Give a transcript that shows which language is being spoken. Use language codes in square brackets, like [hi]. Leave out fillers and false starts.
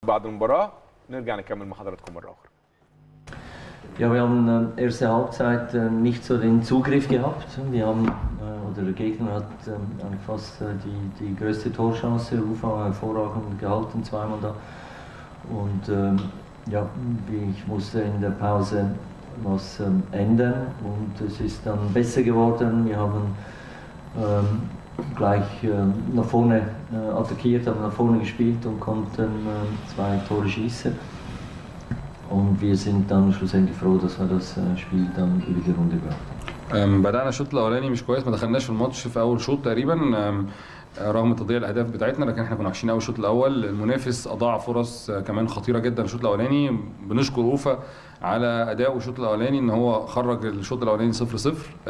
[ar] بعد المباراه نرجع نكمل مع حضراتكم مره اخرى. [de] Ja, wir haben erste Halbzeit nicht so den Zugriff gehabt. Wir haben, oder der Gegner hat fast die größte Torchance, Ufa hervorragend gehalten, zweimal da. Und ja, ich musste in der Pause was ändern und es ist dann besser geworden. Wir haben gleich nach vorne attackiert, haben nach vorne gespielt und konnten zwei Tore schießen. Und wir sind dann schlussendlich froh, dass wir das Spiel dann über die Runde gebracht haben. [ar] بدأنا الشوط الأولاني مش كويس، ما دخلناش في الماتش في أول شوط تقريبا رغم تضييع الأهداف بتاعتنا، لكن احنا كنا وحشين أوي الشوط الأول. المنافس أضاع فرص كمان خطيرة جدا الشوط الأولاني. بنشكر أوفا على أدائه الشوط الأولاني، إن هو خرج الشوط الأولاني 0-0.